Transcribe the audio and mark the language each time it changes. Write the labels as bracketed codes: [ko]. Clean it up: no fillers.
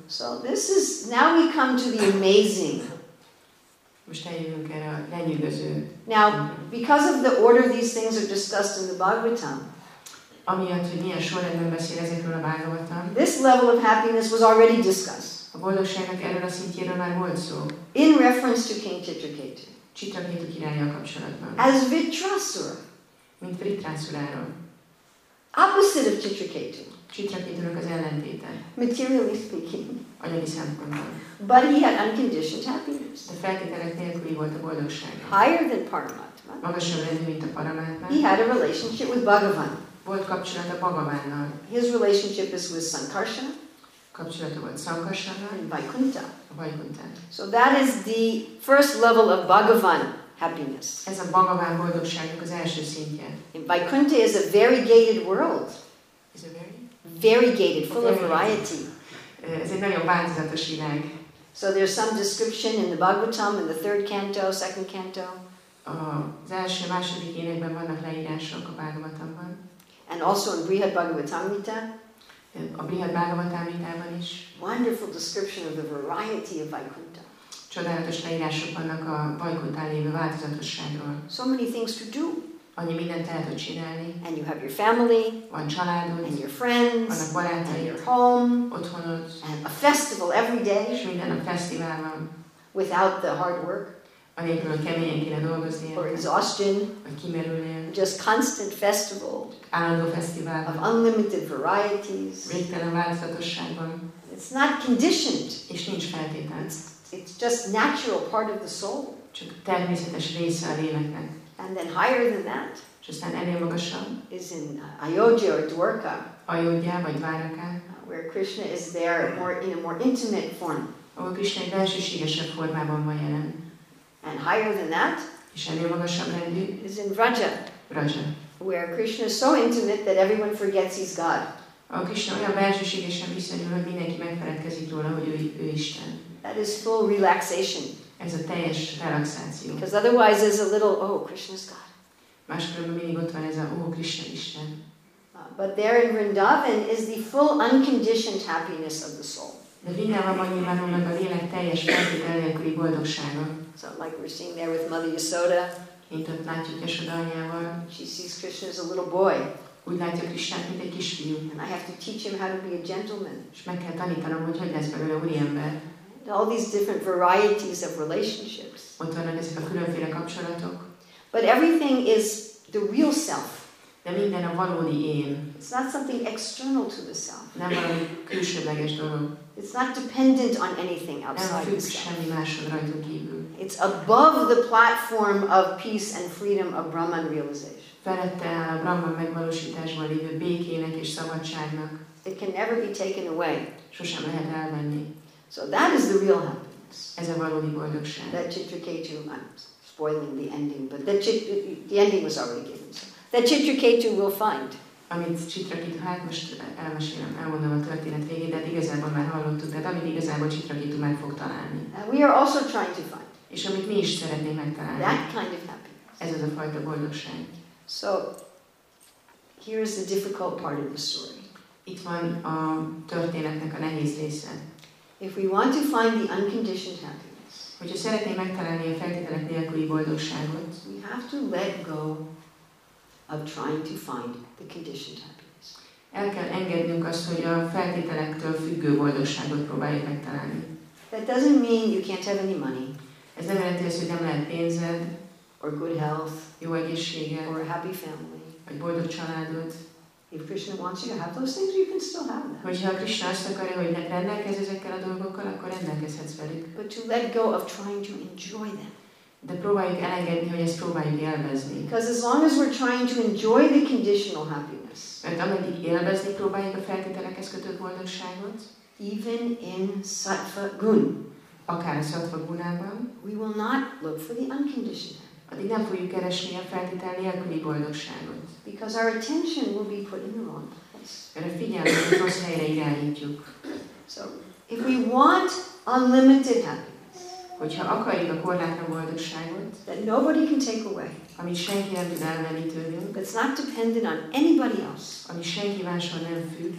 [en] So this is, now we come to the amazing. [hu] Most eljövünk erre a lenyűgöző. [en] Now, because of the order these things are discussed in the Bhagavatam, [hu] amiatt, hogy milyen sorrendben beszél ezekről a Bhagavatam, [en] this level of happiness was already discussed. [hu] A boldogságnak erről a szintjéről már volt szó. [en] In reference to King Chitraketu. [hu] Chitraketu királlyal kapcsolatban. [en] As Vritrasura. [hu] Mint Vritrasuráról. [en] Opposite of Chitraketu. [hu] Chitraketunak az ellentéte. [en] Materially speaking. [hu] Anyagi szempontból. [en] But he had unconditioned happiness. [hu] De feltételek nélküli volt a boldogság. [en] Higher than Paramatma. [hu] Magasabb rendű, mint a Paramatma. [en] He had a relationship with Bhagavan. [hu] Volt kapcsolat a Bhagavannal. [en] His relationship is with Sankarsana. [hu] Kapcsolata volt Sankarsana. [en] And Vaikuntha. [hu] Vaikuntha. [en] So that is the first level of Bhagavan happiness. [hu] Ez a Bhagavan boldogságnak az első szintje. [en] And Vaikuntha is a variegated world. Is it very? Variegated, full of variety. [hu] Ez egy nagyon változatos világ. [en] So there's some description in the Bhagavatam in the third canto, second canto. [hu] Az első, második énekben vannak leírások a Bhagavatamban. [en] And also in Brihad Bhagavatamrita. [hu] A Brihad Bhagavatamritában is. [en] Wonderful description of the variety of Vaikuntha. [hu] Csodálatos leírások vannak a Vajkuntán lévő változatosságról. [en] So many things to do. [hu] Annyi mindent el tud csinálni. [en] And you have your family. [hu] Van családod. [en] And your friends. [hu] Vannak barátaid. [en] And your home. [hu] Otthonod. [en] And a festival every day. [hu] És minden a fesztivál van. [en] Without the hard work. [hu] Anélkül, hogy keményen kéne dolgozni. [en] Or exhaustion. [hu] Vagy kimerülni. [en] Just constant festival. [hu] Állandó fesztivál. [en] Of unlimited varieties. [hu] Végtelen változatosságban. [en] It's not conditioned. [hu] És nincs feltétlen. [en] It's just natural part of the soul. [hu] Csak természetes része a léleknek. [en] And then higher than that, [hu] just an ennél magasabb, [en] is in Ayodhya or Dwarka. [hu] Ayodhya vagy Dwarka, [en] where Krishna is there more in a more intimate form. [hu] Ahol Krishna egy belsőségesebb formában van jelen. [en] And higher than that, [hu] és ennél magasabb rendű, [en] is in Vraja. [hu] Vraja, [en] where Krishna is so intimate that everyone forgets he's God. [hu] Ahol Krishna olyan belsőségesen viszonyul, hogy mindenki megfeledkezik róla, hogy ő Isten. [en] That is full relaxation. [hu] Ez a teljes relaxáció. [en] Because otherwise there's a little, oh, Krishna's God. [hu] Máskülönben mindig ott van ez a, oh, Krishna Isten. [en] But there in Vrindavan is the full unconditioned happiness of the soul. [hu] De Vrindavanban nyilvánulnak a lélek teljes feltételekői boldogsága. [en] So like we're seeing there with Mother Yasoda. [hu] Mint ott látjuk Yasoda anyával. [en] She sees Krishna as a little boy. [hu] Úgy látja Krishnát, mint egy kisfiú. [en] And I have to teach him how to be a gentleman. [hu] És meg kell tanítanom, hogy hogy lesz belőle úriember. [en] All these different varieties of relationships. [hu] Ott vannak ezek a különféle kapcsolatok. [en] But everything is the real self. [hu] De minden a valódi én. [en] It's not something external to the self. [hu] Nem valami külsőleges dolog. [en] It's not dependent on anything outside itself. [hu] Nem függ semmi máson rajtunk kívül. [en] It's above the platform of peace and freedom of Brahman realization. [hu] Felette áll a Brahman megvalósításban lévő békének és szabadságnak. [en] It can never be taken away. [hu] Sosem lehet elvenni. [en] So that is the real happiness. [hu] Ez a valódi boldogság. [en] That Chitraketu, I'm spoiling the ending, but the ending was already given. So that Chitraketu will find. [hu] Amit Chitraketu, hát most elmesélem, elmondom a történet végén, de igazából már hallottuk, tehát amit igazából Chitraketu meg fog találni. [en] And we are also trying to find. [hu] És amit mi is szeretnénk megtalálni. [en] That kind of happiness. [hu] Ez az a fajta boldogság. [en] So, here is the difficult part of the story. [hu] Itt van a történetnek a nehéz része. [en] If we want to find the unconditioned happiness, [hu] hogyha szeretnénk megtalálni a feltételek nélküli boldogságot, [en] we have to let go of trying to find the conditioned happiness. [hu] El kell engednünk azt, hogy a feltételektől függő boldogságot próbáljuk megtalálni. [en] That doesn't mean you can't have any money. [hu] Ez nem jelenti azt, hogy nem lehet pénzed, [en] or good health, [hu] jó egészséged, [en] or a happy family, [hu] vagy boldog családod. [en] If Krishna wants you to have those things, you can still have them. [hu] Hogyha Krishna azt akarja, hogy rendelkezz ezekkel a dolgokkal, akkor rendelkezhetsz velük. [en] But to let go of trying to enjoy them. [hu] De próbáljuk elengedni, hogy ezt próbáljuk élvezni. [en] Because as long as we're trying to enjoy the conditional happiness. [hu] Mert ameddig élvezni próbáljuk a feltételekhez kötött boldogságot. [en] Even in sattva gun. [hu] Akár a sattva gunában. [en] We will not look for the unconditional. [hu] Addig nem fogjuk keresni a feltétel nélküli boldogságot. [en] Because our attention will be put in the wrong place. [hu] Mert a figyelmet rossz helyre irányítjuk. [en] So, if we want unlimited happiness, [hu] hogyha akarjuk a korlátlan boldogságot, [en] that nobody can take away, [hu] ami senki nem tud elvenni tőlünk, [en] that's not dependent on anybody else, [hu] ami senki máson nem függ,